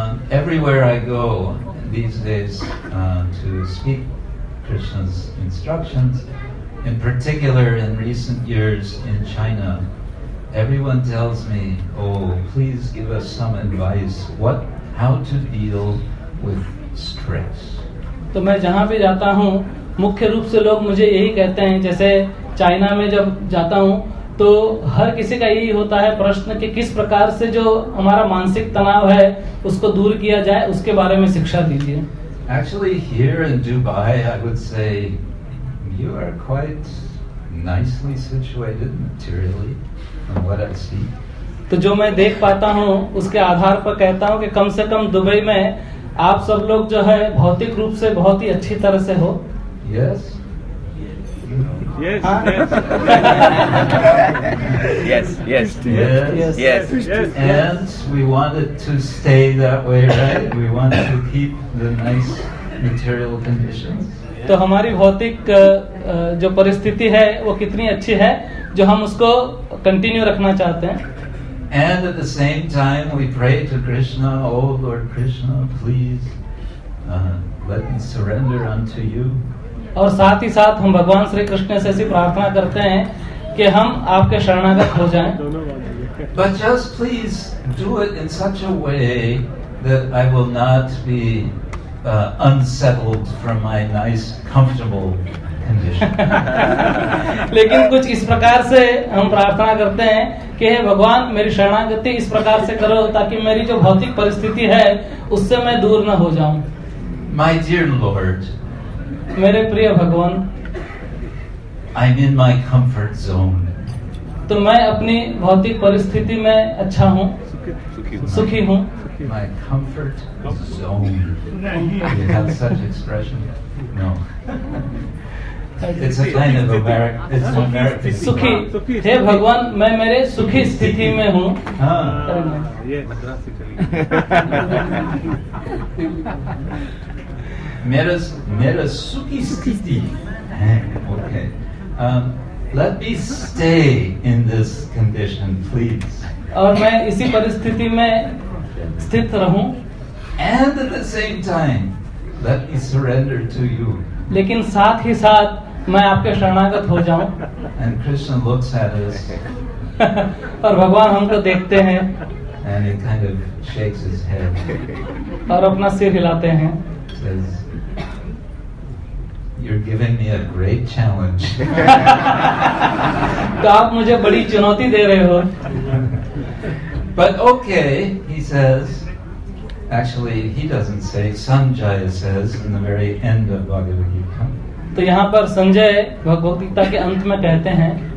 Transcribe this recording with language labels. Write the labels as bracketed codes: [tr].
[en] Everywhere I go these days to speak Krishna's instructions, in particular in recent years in China, everyone tells me, oh, please give us some advice, how to deal with stress. [hi] तो मैं जहाँ भी जाता हूँ मुख्य रूप से लोग मुझे यही कहते हैं. जैसे चाइना में जब जाता हूँ तो हर किसी का यही होता है प्रश्न कि किस प्रकार से जो हमारा मानसिक तनाव है उसको दूर किया जाए उसके बारे में शिक्षा दीजिए. [en] Actually here in Dubai I would say you are quite nicely situated materially from what I see. [hi] तो जो मैं देख पाता हूँ उसके आधार पर कहता हूँ कि कम से कम दुबई में आप सब लोग जो है भौतिक रूप से बहुत ही अच्छी तरह से हो. [en] Yes yes yes yes yes yes yes and we wanted to stay that way right we want to keep the nice material conditions. [hi] तो हमारी भौतिक जो परिस्थिति है वो कितनी अच्छी है जो हम उसको कंटिन्यू रखना चाहते हैं. [en] And at the same time we pray to Krishna, oh Lord Krishna, please let me surrender unto you. [hi] और साथ ही साथ हम भगवान श्री कृष्ण से ऐसी प्रार्थना करते हैं कि हम आपके शरणागत हो जाएं. [en] But just please do it in such a way that I will not be unsettled from my nice comfortable condition. [hi] लेकिन कुछ इस प्रकार से हम प्रार्थना करते हैं कि हे भगवान मेरी शरणागति इस प्रकार से करो ताकि मेरी जो भौतिक परिस्थिति है उससे मैं दूर न हो जाऊं. [en] My dear Lord, [hi] मेरे प्रिय भगवान, [en] I'm in my comfort zone. [hi] तो मैं अपनी भौतिक परिस्थिति में अच्छा हूँ, सुखी हूँ. [en] My comfort zone. You have such expression. No. It's a kind of American. It's American. [hi] सुखी. हे भगवान, मैं मेरे सुखी स्थिति में हूँ. हाँ. ये मद्रास से चली. मेरा सुखी स्थिति. Okay. [en] Let me stay in this condition, please. [hi] और मैं इसी परिस्थिति में स्थित रहूं. [en] And at the same time, let me surrender to you. [hi] लेकिन साथ ही साथ मैं आपके शरणागत हो जाऊं. [en] And Krishna looks at us. [hi] और भगवान हमको देखते हैं. [en] And he kind of shakes his head. [hi] और अपना सिर हिलाते हैं. [en] Says, You're giving me a great challenge. [hi] तो आप मुझे बड़ी चुनौती दे रहे हो. [en] But okay, he says. Actually, he doesn't say. Sanjaya says in the very end of Bhagavad Gita. [hi] तो यहाँ पर संजय भगवत गीता के अंत में कहते हैं.